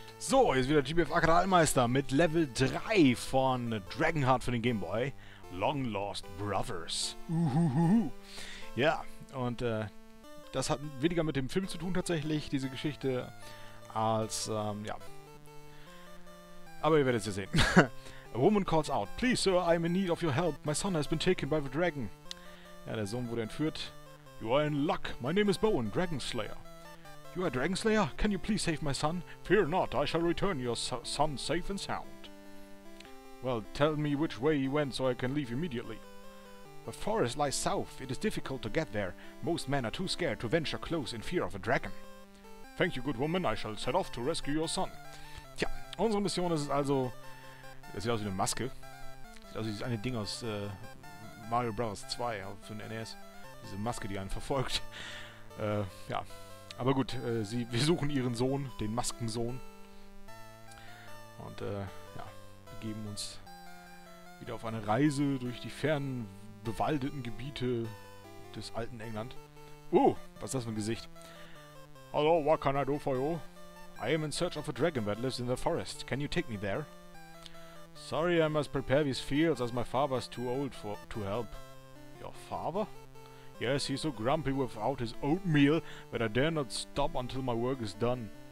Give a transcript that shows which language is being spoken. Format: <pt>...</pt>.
<de>So, hier ist wieder GBFA Kanalmeister mit Level 3 von Dragonheart für den Gameboy. Long Lost Brothers. Uhuhuhu. Ja, und das hat weniger mit dem Film zu tun tatsächlich, diese Geschichte, als, ja. Aber ihr werdet es ja sehen.</de> <en>A woman calls out. Please, sir, I'm in need of your help. My son has been taken by the dragon.</en> <de>Ja, der Sohn wurde entführt.</de> <en>You are in luck. My name is Bowen, Dragon Slayer. You are Dragon Slayer? Can you please save my son? Fear not, I shall return your son safe and sound. Well, tell me which way he went so I can leave immediately. The forest lies south. It is difficult to get there. Most men are too scared to venture close in fear of a dragon. Thank you, good woman. I shall set off to rescue your son.</en> <de>Tja, unsere Mission ist also... Das sieht aus wie eine Maske. Sieht aus wie dieses eine Ding aus Mario Bros. 2 für den NES. Diese Maske, die einen verfolgt. Ja. Aber gut, wir suchen ihren Sohn, den Maskensohn. Und ja, wir geben uns wieder auf eine Reise durch die fernen, bewaldeten Gebiete des alten England. Was ist das für ein Gesicht? Hallo,</de> <en>what can I do for you? I am in search of a dragon that lives in the forest. Can you take me there? Sorry, I must prepare these fields as my father is too old to help. Your father? Yes, he's so grumpy without his oatmeal that I dare not stop until my work is done.</en>